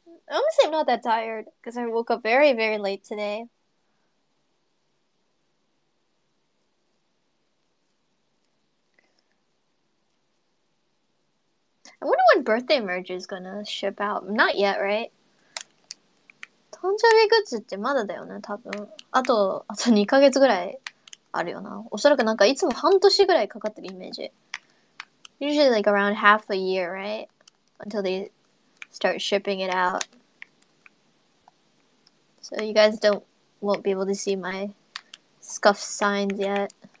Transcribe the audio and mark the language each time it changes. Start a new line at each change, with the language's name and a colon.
English: I almost say I'm not that tired because I woke up very, very late today. I wonder when birthday merch is gonna ship out. Not yet, right?
Japanese: 誕生日グッズってまだだよね、多分。あと2ヶ月ぐらいあるよな。おそらくなんかいつも半年ぐらいかかってるイメージ。
English: Usually like around half a year, right? Until they start shipping it out. So you guys won't be able to see my scuff signs yet.